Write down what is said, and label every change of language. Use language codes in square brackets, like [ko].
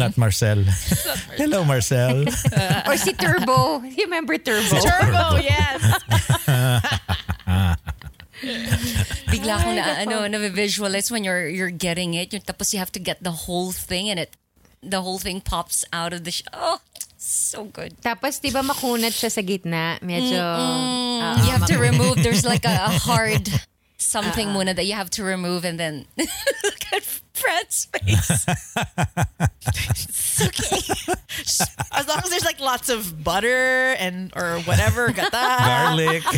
[en] Not Marcel. Hello, Marcel. Or si Turbo. You remember Turbo? Turbo, yes. [tl] Bigla akong na-visualize [en] when you're getting it. [tl] Tapos [en] you have to get the whole thing and it the whole thing pops out of the... So good. [tl] Tapos, di ba makunat siya sa gitna? Medyo... [en] You have to remove. There's like a hard something [tl] muna [en] that you have to remove and then look at Fred's face. It's okay. As long as there's like lots of butter and or whatever. [tl] Gata. [en] Garlic.